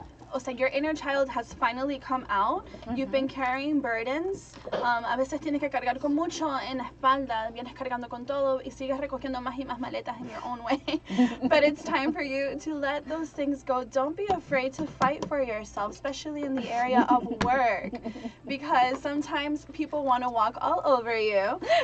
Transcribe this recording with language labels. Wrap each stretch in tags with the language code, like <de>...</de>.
<es>O sea,</es> <en>your inner child has finally come out. Mm-hmm. You've been carrying burdens.</en> <es>A veces tienes que cargar con mucho en la espalda. Vienes cargando con todo y sigues recogiendo más y más maletas</es> <en>in your own way. But it's time for you to let those things go. Don't be afraid to fight for yourself, especially in the area of work. Because sometimes people want to walk all over you.</en>